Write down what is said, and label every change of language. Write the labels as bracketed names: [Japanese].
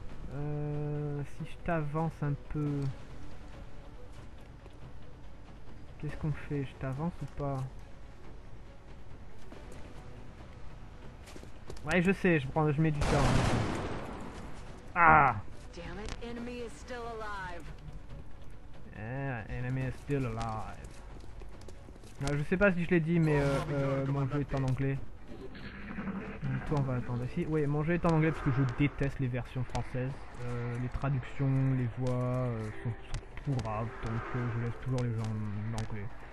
[French] Si je t'avance un peu. Qu'est-ce qu'on fait? Je t'avance ou pas? Ouais, je sais, je mets du temps. Ah! [English] Damn it, enemy is still alive. Yeah, enemy is still alive. [French] Ah, je sais pas si je l'ai dit, mais mon jeu est en anglais. Toi, on va attendre ici. Oui, mon jeu est en anglais parce que je déteste les versions françaises. Les traductions, les voix sont tout graves, donc je laisse toujours les gens en anglais.